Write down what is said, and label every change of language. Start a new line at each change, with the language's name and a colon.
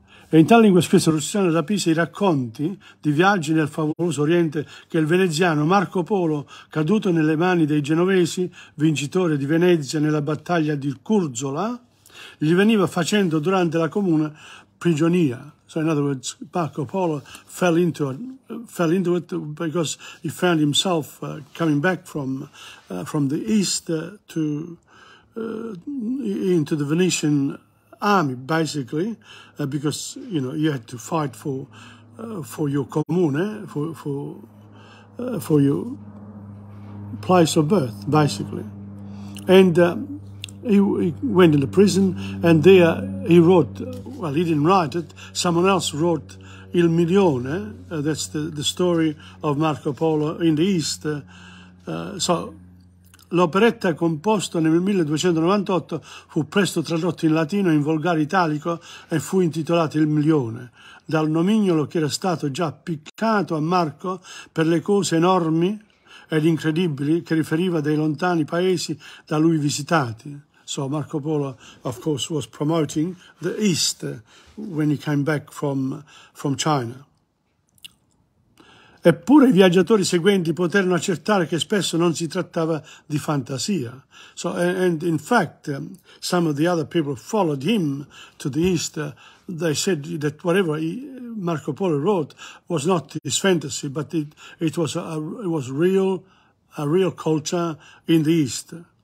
Italian: E in tal lingua scrisse Rusticiano da Pisa I racconti di viaggi nel favoloso Oriente che il veneziano Marco Polo, caduto nelle mani dei genovesi, vincitore di Venezia nella battaglia di Curzola, gli veniva facendo durante la comune prigionia.
English: So in other words, Marco Polo fell into it because he found himself coming back from the east into the Venetian army, basically, because, you know, you had to fight for your comune, for your place of birth, basically. And he went into prison, and there he wrote, well, he didn't write it, someone else wrote Il Milione, that's the story of Marco Polo in the East.
Italian: So l'operetta composta nel 1298 fu presto tradotta in latino e in volgare italico e fu intitolata Il Milione, dal nomignolo che era stato già appiccato a Marco per le cose enormi ed incredibili che riferiva dei lontani paesi da lui visitati.
English: So Marco Polo, of course, was promoting the East when he came back from China.
Italian: Eppure i viaggiatori seguenti poterono accertare che spesso non si trattava di fantasia.
English: So, and in fact, some of the other people followed him to the East. They said that whatever Marco Polo wrote was not his fantasy, but it was a real culture in the East.